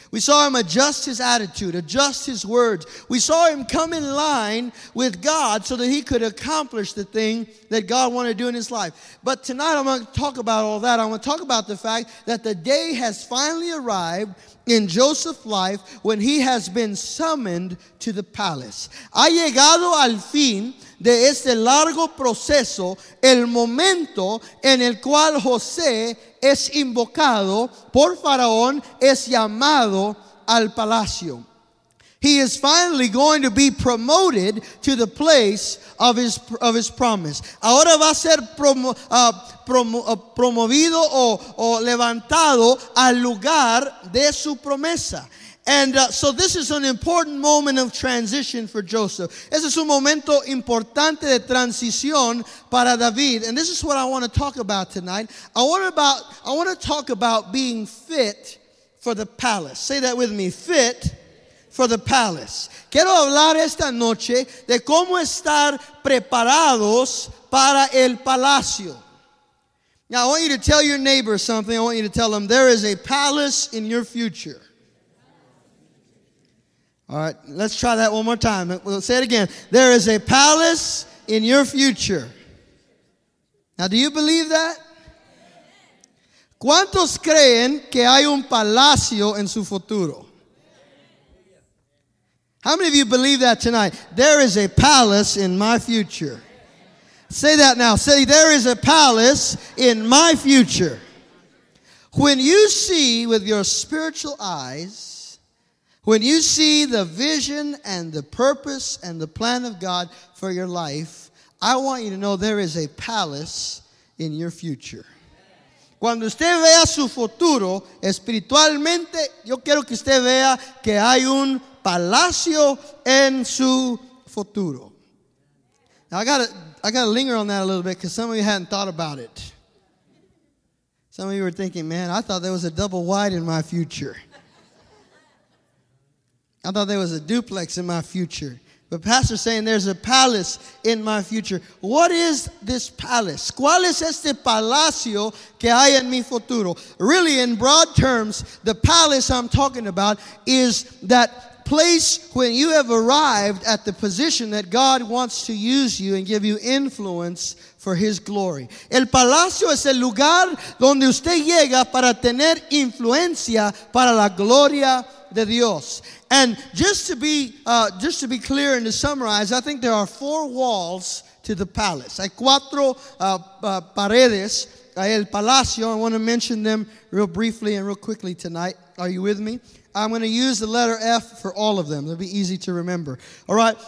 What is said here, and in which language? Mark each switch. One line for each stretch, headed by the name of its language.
English: We saw him adjust his attitude, adjust his words. We saw him come in line with God so that he could accomplish the thing that God wanted to do in his life. But tonight I'm going to talk about all that. I want to talk about the fact that the day has finally arrived in Joseph's life when he has been summoned to the palace.
Spanish: Ha llegado al fin de este largo proceso, el momento en el cual José es invocado por Faraón, es llamado al palacio.
English: He is finally going to be promoted to the place of his promise.
Spanish: Ahora va a ser promovido o levantado al lugar de su promesa.
English: And so this is an important moment of transition for Joseph.
Spanish: Ese es un momento importante de transición para David.
English: And this is what I want to talk about tonight. I want to talk about being fit for the palace. Say that with me. Fit for the palace.
Spanish: Quiero hablar esta noche de cómo estar preparados para el palacio.
English: Now I want you to tell your neighbor something. I want you to tell them there is a palace in your future. All right, let's try that one more time. We'll say it again. There is a palace in your future. Now, do you believe that?
Spanish: ¿Cuántos creen que hay un palacio en su futuro?
English: How many of you believe that tonight? There is a palace in my future. Say that now. Say, there is a palace in my future. When you see with your spiritual eyes, when you see the vision and the purpose and the plan of God for your life, I want you to know there is a palace in your future.
Spanish: Cuando usted vea su futuro espiritualmente, yo quiero que usted vea que hay un palacio en su futuro.
English: Now I gotta linger on that a little bit because some of you hadn't thought about it. Some of you were thinking, man, I thought there was a double wide in my future. I thought there was a duplex in my future. But Pastor's saying there's a palace in my future. What is this palace?
Spanish: ¿Cuál es este palacio que hay en mi futuro?
English: Really, in broad terms, the palace I'm talking about is that place when you have arrived at the position that God wants to use you and give you influence for his glory.
Spanish: El palacio es el lugar donde usted llega para tener influencia para la gloria de Dios.
English: And just to be clear and to summarize, I think there are four walls to the palace.
Spanish: Hay cuatro paredes a el palacio.
English: I want to mention them real briefly and real quickly tonight. Are you with me? I'm going to use the letter F for all of them. It'll be easy to remember. All right.